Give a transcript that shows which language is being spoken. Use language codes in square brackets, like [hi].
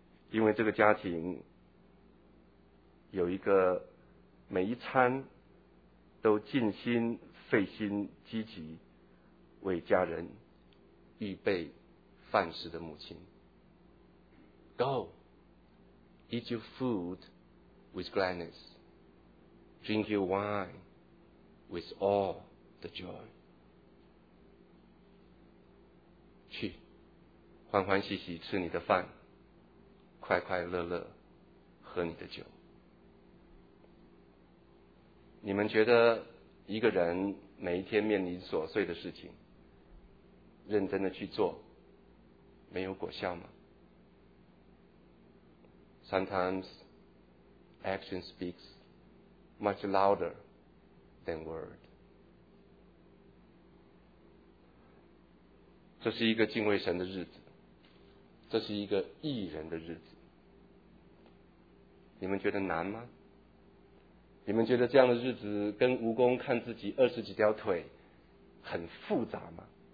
[zh] 因为这个家庭有一个每一餐都尽心费心积极为家人预备饭食的母亲。 [en] Go eat your food with gladness, drink your wine with all the joy。 [zh] 去欢欢喜喜吃你的饭，快快乐乐喝你的酒。你们觉得一个人每一天面临琐碎的事情，认真的去做，没有果效吗？ [en] Sometimes action speaks much louder than word。 [zh] 这是一个敬畏神的日子，这是一个义人的日子。你们觉得难吗？你们觉得这样的日子跟蜈蚣看自己二十几条腿很复杂吗？